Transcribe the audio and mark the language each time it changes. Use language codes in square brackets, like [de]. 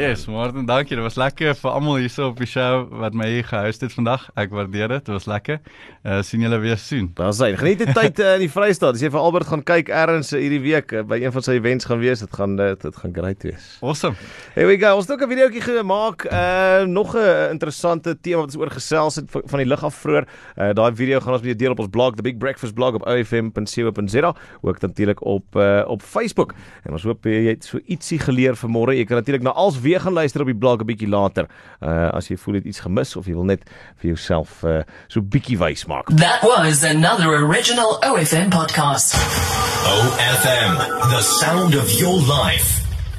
[af] Yes, Martin, dankie. Dit was lekker vir almal hierso op die show wat my hier gehuis het vandag. Ek waardeer dit. Dit was lekker. Sien julle weer soon. Daar sien. Geniet die tyd in die Vrystaat. As jy vir Albert gaan kyk ergens hierdie week by een van sy events gaan wees, dit gaan great wees. [en] Awesome. Here we go. [af] Ons het ook 'n videoetjie gemaak. Nog 'n interessante tema wat ons oor gesels het van die lug af vroeër. Daai video gaan ons met jou deel op ons blog, The Big Breakfast blog op ofm.co.za, ook natuurlik op Facebook. En ons hoop jy het so ietsie geleer vanmôre. Jy kan natuurlik na als weer gaan luister op die blog 'n bietjie later. As jy voel jy het iets gemis of jy wil net vir jouself so bietjie wys maak. [en] That was another original OFM podcast. OFM, the sound of your life.